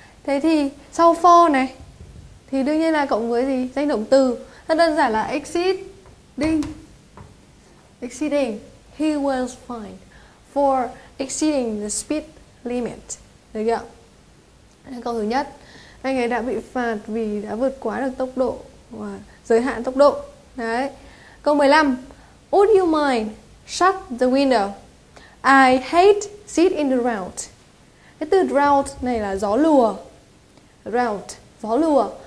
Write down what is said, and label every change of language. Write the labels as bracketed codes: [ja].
[vi] Thế thì sau for này thì đương nhiên là cộng với gì? Danh động từ. Rất đơn giản là exceeding. [en] He was fined for exceeding the speed limit. [vi] Được chưa? Câu thứ nhất, anh ấy đã bị phạt vì đã vượt quá được tốc độ và giới hạn tốc độ. Đấy. Câu 15. [en] Would you mind shut the window? I hate sit in the drought. [vi] Cái từ drought này là gió lùa. Drought, gió lùa.